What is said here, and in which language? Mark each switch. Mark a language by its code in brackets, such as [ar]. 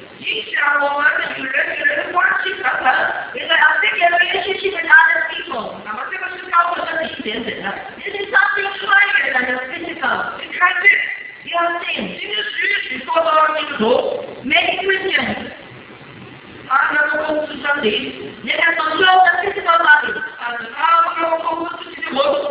[zh] 影响我们的与人与人的关系等等 [en] It will affect your relationship with other people. [zh] 那么这个是高过身体一点点的。 [en] This is something higher than your physical. [zh] 你看这 [en] You have seen. [zh] 今天许许多多基督徒 [en] Many Christians. [zh] 他能够控制身体 [en] They can control the physical body. [zh] 他能够控制自己的魂